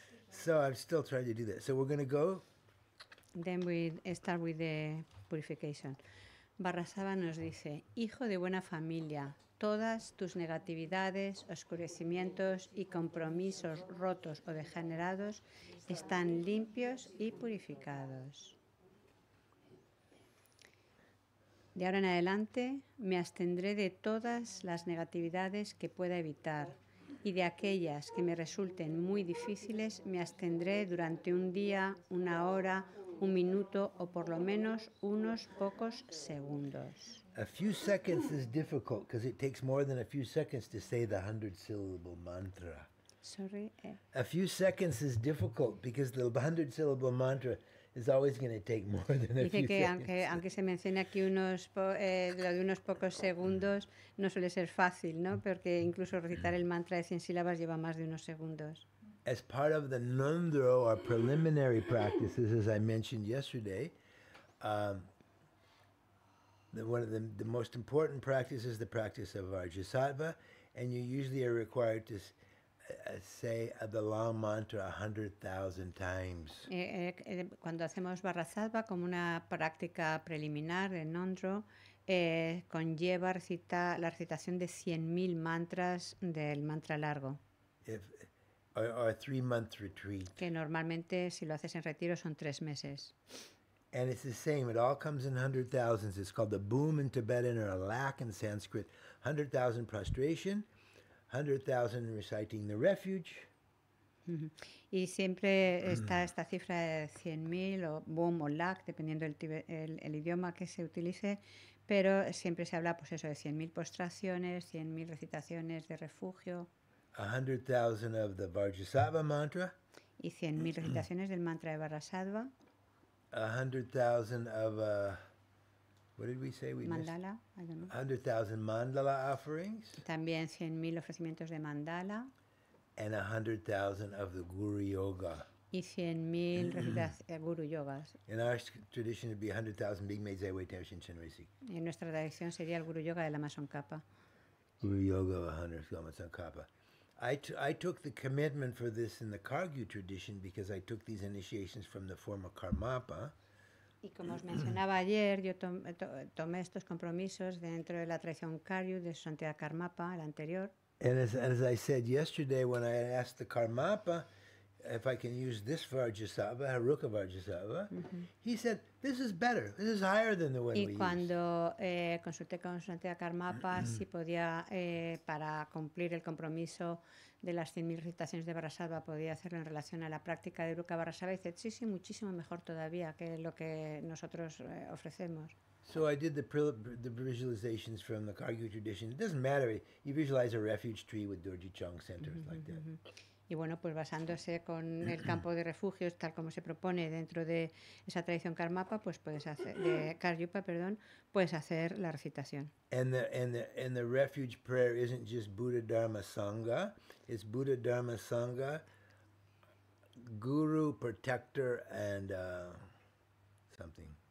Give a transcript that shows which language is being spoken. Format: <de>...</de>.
<en>So I'm still trying to do that. So we're going to go. Then we start with the purification.</en> <es>Barrasaba nos dice, hijo de buena familia, todas tus negatividades, oscurecimientos y compromisos rotos o degenerados están limpios y purificados. De ahora en adelante me abstendré de todas las negatividades que pueda evitar y de aquellas que me resulten muy difíciles me abstendré durante un día, una hora, un minuto o por lo menos unos pocos segundos.</es> <en>A few seconds is difficult because it takes more than a few seconds to say the 100-syllable mantra. Sorry. A few seconds is difficult because the 100-syllable mantra is always going to take more than a few seconds.</en> <es>Dice que aunque se mencione aquí unos pocos segundos, no suele ser fácil, ¿no? Porque incluso recitar el mantra de 100 sílabas lleva más de unos segundos.</es> <en>As part of the nundro, or preliminary practices, as I mentioned yesterday, one of the most important practices is the practice of Vajrasattva, and you usually are required to say the long mantra 100,000 times.</en> <es>Cuando hacemos Vajrasattva como una práctica preliminar de nundro, conlleva la recitación de 100,000 mantras del mantra largo.</es> <en>Or a three-month retreat.</en> <es>Que normalmente, si lo haces en retiro, son 3 meses.</es> <en>And it's the same. It all comes in 100,000s. It's called the boom in Tibetan or a lack in Sanskrit. 100,000 prostration, 100,000 reciting the refuge.</en> <es>Y siempre está esta cifra de 100,000 o boom o lack, dependiendo el idioma que se utilice. Pero siempre se habla, pues eso, de 100,000 postraciones, 100,000 recitaciones de refugio.</es> <en>100,000 of the Vajrasattva mantra.</en> <es>Y 100,000 recitaciones del mantra de Vajrasattva.</es> <en>100,000 of what did we say we mandala, missed? 100,000 mandala offerings.</en> <es>También 100,000 ofrecimientos de mandala.</es> <en>And 100,000 of the guru yoga.</en> <es>Y 100,000 guru yogas.</es> <en>In our tradition, it'd be 100,000 big maids away tension chenrisi.</en> <es>En nuestra tradición sería el guru yoga de la Mason Kapa. Guru yoga of 100,000 Mason Kapa.</es> <en>I took the commitment for this in the Kargyu tradition because I took these initiations from the former Karmapa.</en> <es>Y como os mencionaba ayer, yo tomé estos compromisos dentro de la tradición Kargyu de su antigua Karmapa, la anterior.</es> <en>And as I said yesterday, when I asked the Karmapa if I can use this Vajrasattva, Haruka Vajrasattva, he said, this is better, this is higher than the one we use.</en> <es>Y cuando consulté con su antigua Karmapa si podía, para cumplir el compromiso de las 100,000 recitaciones de Vajrasattva, podía hacerlo en relación a la práctica de Haruka Vajrasattva, y dice, sí, sí, muchísimo mejor todavía que lo que nosotros ofrecemos.</es> <en>So I did the visualizations from the Kargyu tradition. It doesn't matter, you visualize a refuge tree with Dorji Chang centers like that.</en> <es>Y bueno, pues basándose con el campo de refugios, tal como se propone dentro de esa tradición Karmapa, pues puedes hacer, de Karyupa, perdón, puedes hacer la recitación.</es> <en>And the refuge prayer isn't just Buddha Dharma Sangha, it's Buddha Dharma Sangha, Guru, Protector, and something.</en>